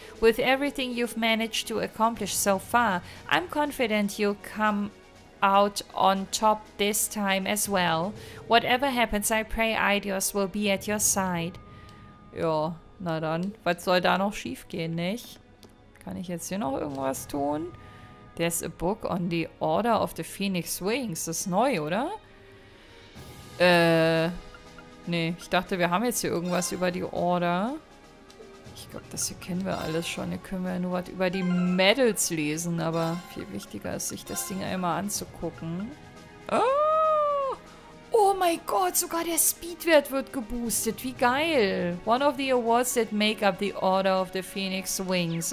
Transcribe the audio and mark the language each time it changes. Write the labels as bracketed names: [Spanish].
[English] With everything you've managed to accomplish so far, I'm confident you'll come out on top this time as well. Whatever happens, I pray Eidios will be at your side. [German] Ja, na dann. Was soll da noch schief gehen, nicht? Kann ich jetzt hier noch irgendwas tun? [English] There's a book on the Order of the Phoenix Wings. [German] Das ist neu, oder? Nee, ich dachte, wir haben jetzt hier irgendwas über die Order. Ich glaube, das hier kennen wir alles schon. Hier können wir ja nur was über die Medals lesen, aber viel wichtiger ist, sich das Ding einmal anzugucken. Oh! Oh mein Gott, sogar der Speedwert wird geboostet. Wie geil! [English] One of the awards that make up the Order of the Phoenix Wings.